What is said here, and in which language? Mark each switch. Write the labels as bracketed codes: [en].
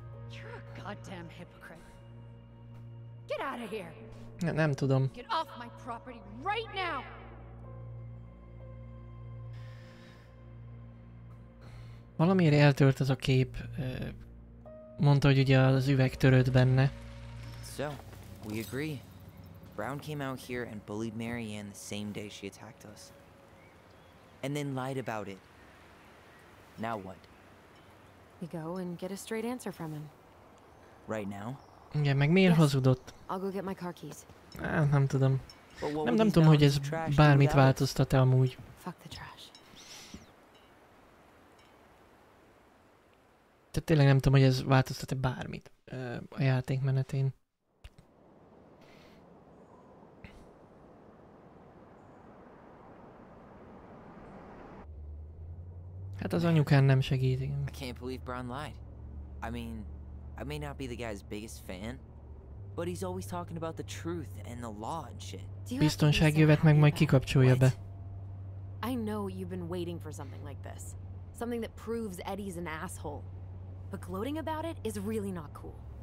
[en] You're a goddamn hypocrite. Get out of here. [hu] Nem tudom. [en] Get off my property right now. [hu] Valamiért eltört ez a kép. Mondta, hogy ugye az üveg törött benne. [en] So, we agree. Brown came out here and bullied Marianne the same day she attacked us. And then lied about it. Now what? We go and get a straight answer from him. Right now? [hu] Yeah, meg miért hazudott? [en] I'll go get my car keys. [hu] Nem tudom. Nem tudom, hogy ez bármit változtat-e amúgy. [en] Fuck the trash. [hu] Tehát tényleg nem tudom, hogy ez változtat-e bármit a játék menetén. Hát az anyukán nem segít. [en] I can't believe Brown lied. I mean, I may not be the guy's biggest fan, but he's always talking about the truth and the law and shit. [hu] Biztonság jövet meg majd kikapcsolja be. [en] I know you've been waiting for something like this. Something that proves Eddie's an asshole. But gloating about it is really not cool.